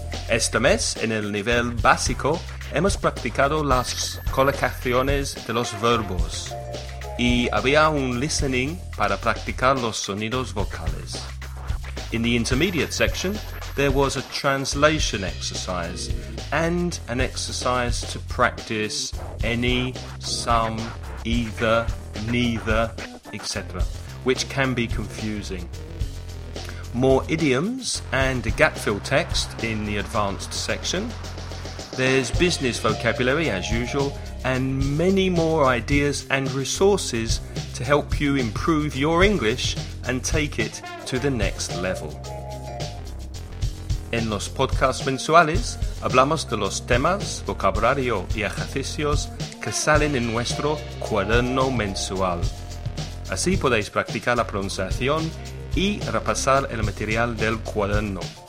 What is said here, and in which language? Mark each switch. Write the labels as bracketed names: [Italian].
[Spanish] Este mes, en el nivel básico, hemos practicado las colocaciones de los verbos y había un listening para practicar los sonidos vocales. [English] In the intermediate section, there was a translation exercise and an exercise to practice any, some, either, neither, etc., which can be confusing. More idioms and a gap-fill text in the advanced section. There's business vocabulary, as usual, and many more ideas and resources to help you improve your English and take it to the next level. [Spanish] En los podcasts mensuales, hablamos de los temas, vocabulario y ejercicios que salen en nuestro cuaderno mensual. Así podéis practicar la pronunciación y repasar el material del cuaderno.